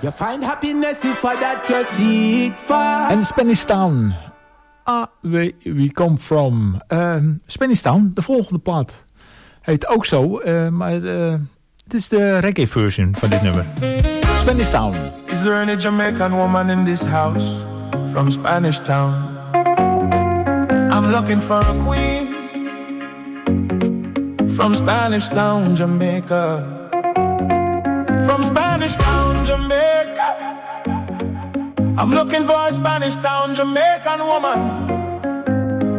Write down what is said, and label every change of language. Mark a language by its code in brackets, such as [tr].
[en] You find happiness if that you seek for. And Spanish Town. Ah, we come from. [nl] Spanish Town, de volgende plaat. Heet ook zo, maar het is de reggae version van dit nummer. [en] Spanish Town. Is there any Jamaican woman in this house from Spanish Town? I'm looking for a queen. From Spanish Town, Jamaica. From Spanish Town, Jamaica. I'm looking for a Spanish Town, Jamaican woman.